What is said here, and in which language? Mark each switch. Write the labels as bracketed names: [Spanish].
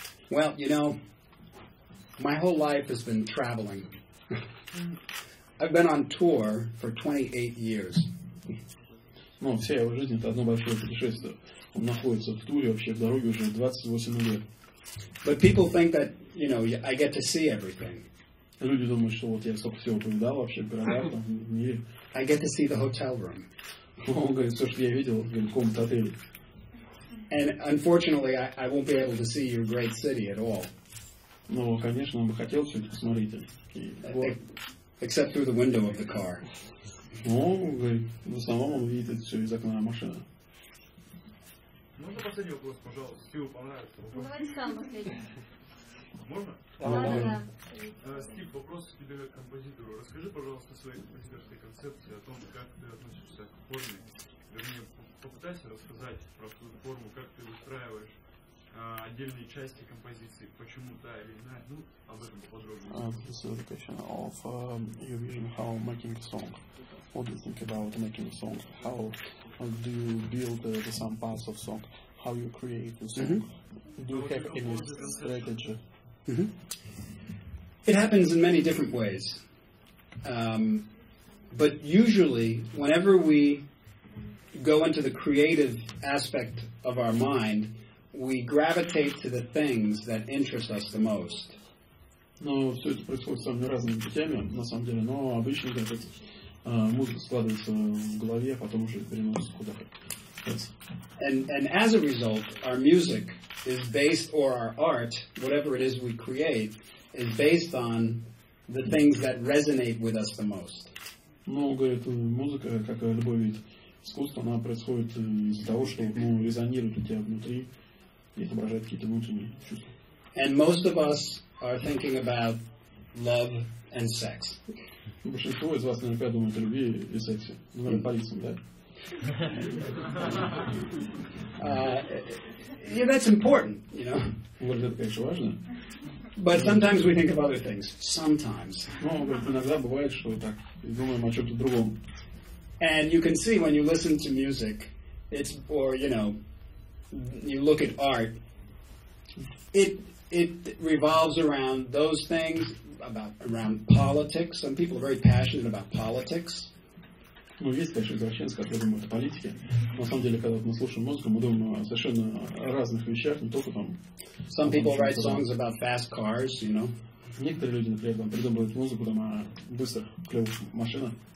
[English] Well, you know, my whole life has been traveling. I've been on tour for 28 years. [Russian] Ну, вся его жизнь — это одно большое путешествие. Он находится в туре вообще в дороге уже 28 лет. [English] But people think that, you know, I get to see everything. [Russian] Люди думают, что вот я столько всего повидал вообще в городах, там, в мире. [English] I get to see the hotel room. [Russian] Он говорит, все, что я видел, в комнате отеля. [English] And unfortunately, I won't be able to see your great city at all. [Russian] Ну, конечно, он бы хотел все это посмотреть. Вот. [English] Except through the window of the car. [Russian] Ну, говорит, в основном он видит это все из окна машины. Можно последний вопрос, пожалуйста? Стиву понравится. Давайте сам последний. Можно? Да. Стив, тебя как композитору. Расскажи, пожалуйста, о своей композиторской концепции, о том, как ты относишься к форме. Вернее, попытайся рассказать про свою форму, как ты устраиваешь отдельные части композиции, почему та или иная. Ну, об этом поподробнее. [English] This is a question of your vision how making a song. What do you think about making a song? How do you build the some parts of song? How you create the song? Mm-hmm. Do you have any strategy? Mm-hmm. It happens in many different ways. But usually, whenever we go into the creative aspect of our mind, we gravitate to the things that interest us the most. [Russian] Но все это происходит самыми разными путями, на самом деле. Но обычно, когда музыка складывается в голове, потом уже переносится куда-то. [English] And as a result, our music is based, or our art, whatever it is we create, is based on the things that resonate with us the most. [Russian] Много эта музыка, как любой вид искусства, она происходит из-за того, что резонирует у тебя внутри и отображает какие-то внутренние чувства. [English] And most of us are thinking about love and sex. [Russian] Большинство из вас наверняка думают о любви и сексе. Ну, наверное, по лицам, да? [English] Yeah, that's important, you know. [Russian] Вот это, конечно, важно. [English] But sometimes we think of other things. Sometimes. [Russian] Ну, иногда бывает, что так, и думаем о чем-то другом. [English] And you can see when you listen to music, it's, or, you know, you look at art, it revolves around those things, around politics. Some people are very passionate about politics. [Russian] Ну, есть, конечно, извращенцы, которые думают о политике. На самом деле, когда мы слушаем музыку, мы думаем о совершенно разных вещах, не только там. [English] Some people write songs about fast cars, you know. [Russian] Некоторые люди, например, там, придумывают музыку там, о быстрых, клевых машинах.